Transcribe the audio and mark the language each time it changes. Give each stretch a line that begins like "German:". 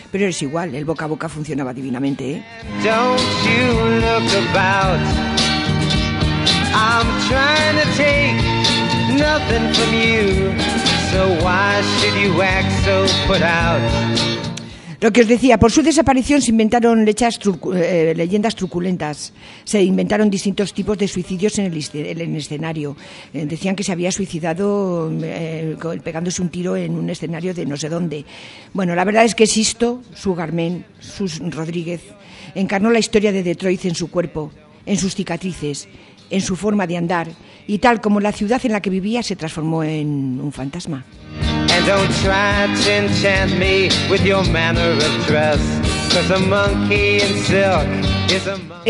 Spanish: Pero es igual, el boca a boca funcionaba divinamente, ¿eh?
English: Don't you look about. I'm trying to take nothing from you, so why should you act so put out?
Spanish: Lo que os decía, por su desaparición se inventaron leyendas truculentas, se inventaron distintos tipos de suicidios en el escenario. Decían que se había suicidado pegándose un tiro en un escenario de no sé dónde. Bueno, la verdad es que Sisto, Sugarman, Sus Rodríguez, encarnó la historia de Detroit en su cuerpo, en sus cicatrices, en su forma de andar, y tal como la ciudad en la que vivía se transformó en un fantasma.
English: And don't try to enchant me with your manner of dress, 'cause a monkey in silk is a monkey.